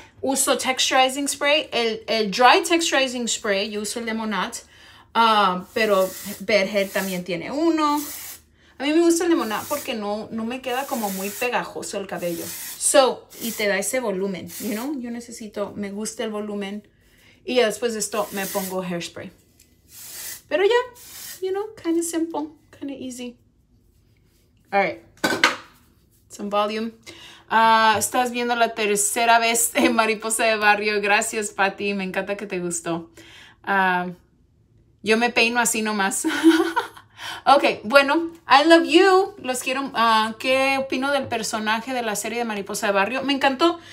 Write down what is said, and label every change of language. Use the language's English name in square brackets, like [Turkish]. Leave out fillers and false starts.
[Spanish] Uso texturizing spray. El dry texturizing spray. Yo uso el de Monat. Pero Berger también tiene uno. A mí me gusta el Lemonade porque no me queda como muy pegajoso el cabello. So, y te da ese volumen, [English] you know? [Spanish] Yo necesito, me gusta el volumen. Y ya después de esto me pongo hairspray. Pero ya, [English] you know, kind of simple, kind of easy. All right. Some volume. [Spanish] Estás viendo la tercera vez de Mariposa de Barrio. Gracias, Patti. Me encanta que te gustó. Yo me peino así nomás. [English] Ok, bueno, I love you. [Spanish] Los quiero. ¿Qué opino del personaje de la serie de Mariposa de Barrio? Me encantó.